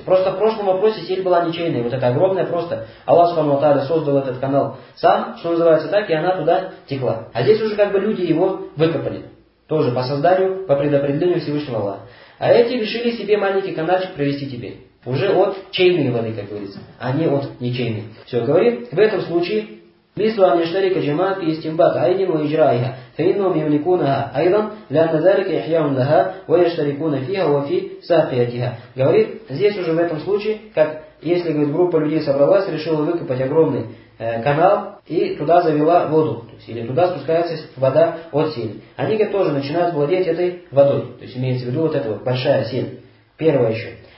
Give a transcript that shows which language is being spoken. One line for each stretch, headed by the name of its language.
Russian: Просто в прошлом вопросе сель была ничейной. Вот эта огромная просто. Аллах Субхану ва Тааля создал этот канал сам, что называется так, и она туда текла. А здесь уже как бы люди его выкопали. Тоже по созданию, по предопределению Всевышнего Аллаха. А эти решили себе маленький каналчик провести теперь. Уже от чейной воды, как говорится, а не от ничейной. Все, говорит, в этом случае
Arabic: مثل أن يشترك جماعة في استنباط عين وإجرائها فإنهم يملكونها أيضا لأن ذلك إحياء لها ويشتركون فيها وفي ساقيتها.
Russian: Говорит, здесь уже в этом случае, как если, говорит, группа людей собралась, решила выкопать огромный канал и туда завела воду, то есть, или туда спускается вода от сель. Они тоже начинают владеть этой водой, то есть имеется в виду вот эта вот большая сель, первая еще.